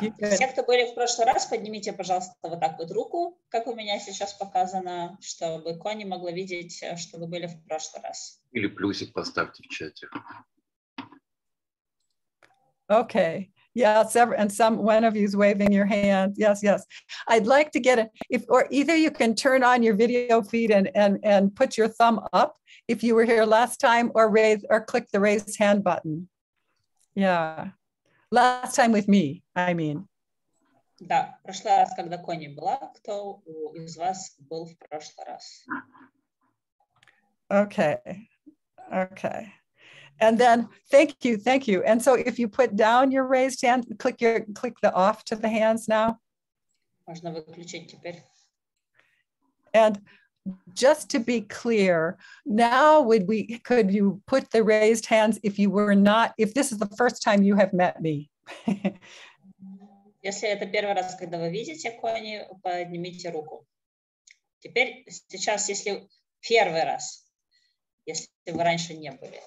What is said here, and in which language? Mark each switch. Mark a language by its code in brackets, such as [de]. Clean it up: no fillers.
[ru] Все, кто были в прошлый раз, поднимите, пожалуйста, вот так вот руку, как у меня сейчас показано, чтобы Конни могла видеть, что вы были в прошлый раз. Или плюсик поставьте в чате. [en] Okay. Yeah, several, and some one of you is waving your hand. Yes, yes. I'd like to get it. If or either you can turn on your video feed and put your thumb up if you were here last time, or raise or click the raise hand button. Yeah, last time with me, I mean. [ru] Да, прошлый раз, когда Коня была, кто из вас был в прошлый раз? [en] Okay, okay. And then, thank you. And so if you put down your raised hand, click the off to the hands now. [ru] Можно выключить теперь. [en] And just to be clear, now could you put the raised hands if you were not, if this is the first time you have met me? [ru] Если это первый раз, когда вы видите Кони, поднимите руку. Теперь, сейчас, если первый раз, если вы раньше не были.